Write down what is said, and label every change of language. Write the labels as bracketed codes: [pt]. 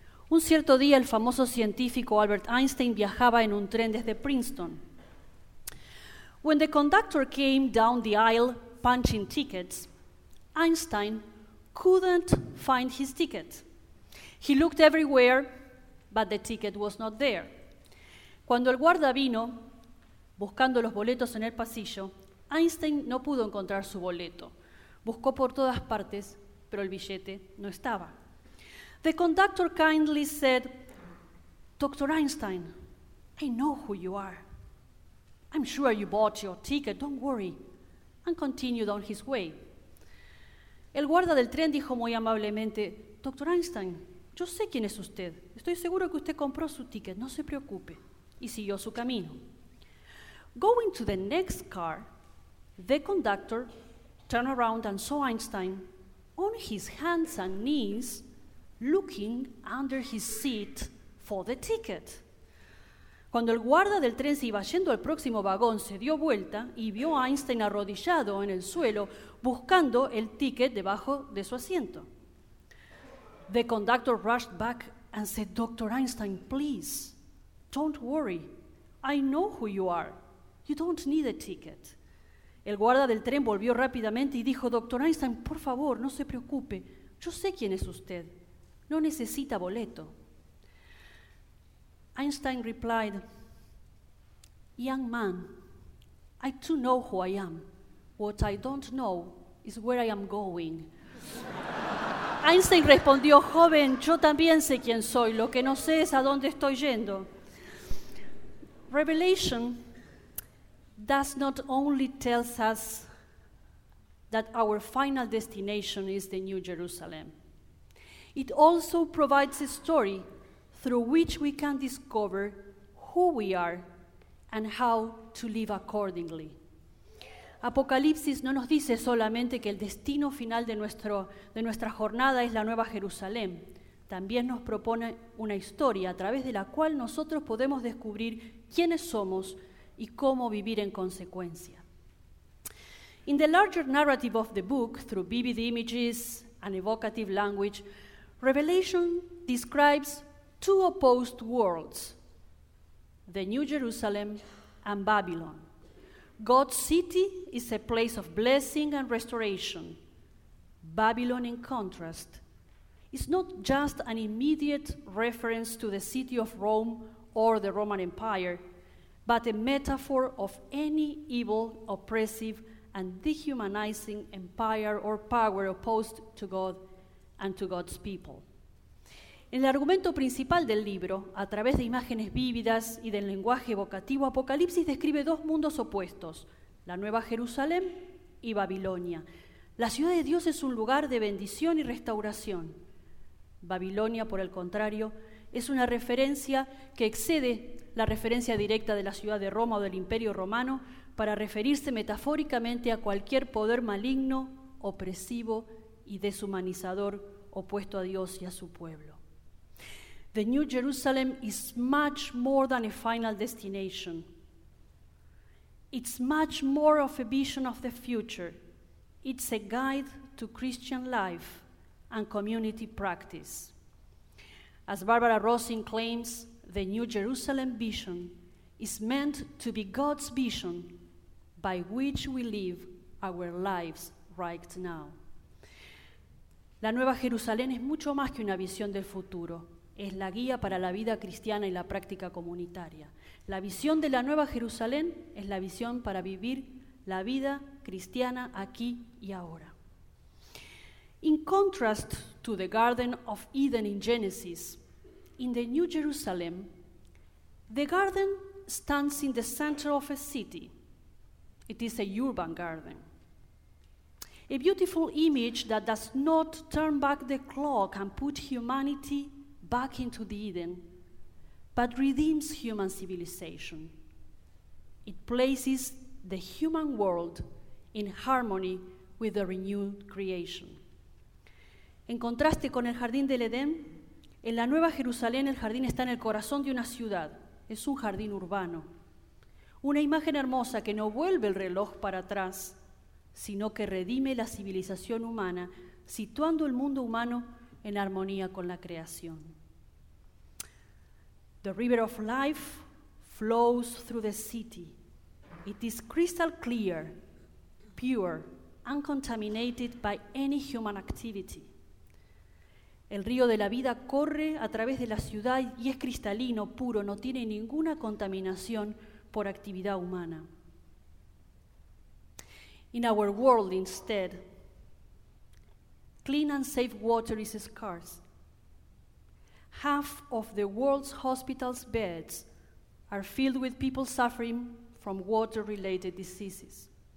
[es] Un cierto día, el famoso científico Albert Einstein viajaba en un tren desde Princeton. [en] When the conductor came down the aisle punching tickets, Einstein couldn't find his ticket. He looked everywhere, but the ticket was not there. [es] Cuando el guarda vino buscando los boletos en el pasillo, Einstein no pudo encontrar su boleto. Buscó por todas partes, pero el billete no estaba. [en] The conductor kindly said, "Dr. Einstein, I know who you are. I'm sure you bought your ticket, don't worry," and continued on his way. [es] El guarda del tren dijo muy amablemente, "Dr. Einstein, yo sé quién es usted. Estoy seguro que usted compró su ticket. No se preocupe." Y siguió su camino. [en] Going to the next car, the conductor turned around and saw Einstein on his hands and knees looking under his seat for the ticket. [es] Cuando el guarda del tren se iba yendo al próximo vagón, se dio vuelta y vio a Einstein arrodillado en el suelo buscando el ticket debajo de su asiento. [en] The conductor rushed back and said, "Dr. Einstein, please, don't worry. I know who you are. You don't need a ticket." [es] El guarda del tren volvió rápidamente y dijo, "Dr. Einstein, por favor, no se preocupe. Yo sé quién es usted. No necesita boleto." [en] Einstein replied, "Young man, I too know who I am. What I don't know is where I am going." [es] Einstein respondió, "Joven, yo también sé quién soy. Lo que no sé es a dónde estoy yendo." [en] Revelation does not only tell us that our final destination is the New Jerusalem. It also provides a story through which we can discover who we are and how to live accordingly. [es] Apocalipsis no nos dice solamente que el destino final de nuestra jornada es la Nueva Jerusalén, también nos propone una historia a través de la cual nosotros podemos descubrir quiénes somos y cómo vivir en consecuencia. [en] In the larger narrative of the book, through vivid images and evocative language, Revelation describes two opposed worlds, the New Jerusalem and Babylon. God's city is a place of blessing and restoration. Babylon, in contrast, is not just an immediate reference to the city of Rome or the Roman Empire, but a metaphor of any evil, oppressive, and dehumanizing empire or power opposed to God and to God's people. [es] En el argumento principal del libro, a través de imágenes vívidas y del lenguaje evocativo, Apocalipsis describe dos mundos opuestos, la Nueva Jerusalén y Babilonia. La ciudad de Dios es un lugar de bendición y restauración. Babilonia, por el contrario, es una referencia que excede la referencia directa de la ciudad de Roma o del Imperio Romano para referirse metafóricamente a cualquier poder maligno, opresivo y deshumanizador opuesto a Dios y a su pueblo. [en] The New Jerusalem is much more than a final destination. It's much more of a vision of the future. It's a guide to Christian life and community practice. As Barbara Rosin claims, the New Jerusalem vision is meant to be God's vision by which we live our lives right now. [es] La Nueva Jerusalén es mucho más que una visión del futuro. Es la guía para la vida cristiana y la práctica comunitaria. La visión de la Nueva Jerusalén es la visión para vivir la vida cristiana aquí y ahora. [en] In contrast to the Garden of Eden in Genesis, in the New Jerusalem, the garden stands in the center of a city. It is a urban garden. A beautiful image that does not turn back the clock and put humanity back into the Eden, but redeems human civilization. It places the human world in harmony with the renewed creation. [es] En contraste con el Jardín del Edén, en la Nueva Jerusalén el jardín está en el corazón de una ciudad. Es un jardín urbano. Una imagen hermosa que no vuelve el reloj para atrás, sino que redime la civilización humana, situando el mundo humano en armonía con la creación. [en] The river of life flows through the city. It is crystal clear, pure, uncontaminated by any human activity. [es] El río de la vida corre a través de la ciudad y es cristalino, puro, no tiene ninguna contaminación por actividad humana. [en] In our world, instead, clean and safe water is scarce. Half of the world's hospitals' beds are filled with people suffering from water-related diseases.